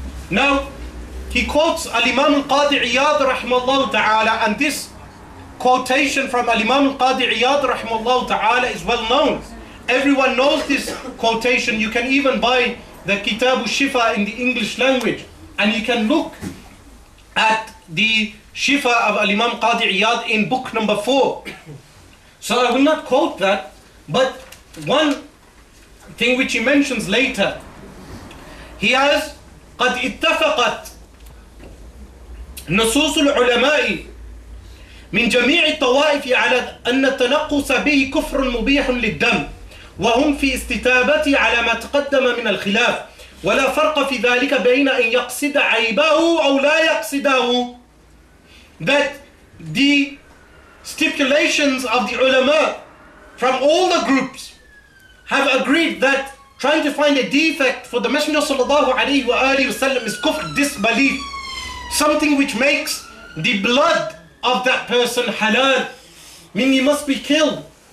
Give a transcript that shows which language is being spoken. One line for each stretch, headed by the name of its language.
English: Now, he quotes Al-Imam Al-Qadi Iyad rahimahullah ta'ala, and this quotation from Al-Imam Al-Qadi Iyad rahimahullah ta'ala is well known. Everyone knows this quotation. You can even buy the Kitab al-Shifa in the English language. And you can look at the Shifa of Al-Imam Qadi Iyad in book number 4. So I will not quote that, But one thing which he mentions later, he has
Arabic: قَدْ اتَّفَقَتْ نَصُوصُ الْعُلَمَاءِ مِنْ جَمِيعِ الطَّوَائِفِ عَلَى أَنَّ التَّنَقُّسَ بِهِ كُفْرٌ مُبِيحٌ لِلدَّمِ وَهُمْ فِي اسْتِتَابَتِي عَلَى مَا تَقَدَّمَ مِنَ الْخِلَافِ وَلَا فَرْقَ فِي ذَلِكَ بَيْنَ أَنْ يَقْصِدَ عَيْبَهُ أَوْ لَا يَقْصِدَهُ.
English: That the stipulations of the ulama from all the groups have agreed that trying to find a defect for the Messenger sallallahu alayhi wa alayhi wa sallam is kufr, disbelief, something which makes the blood of that person halal, meaning he must be killed.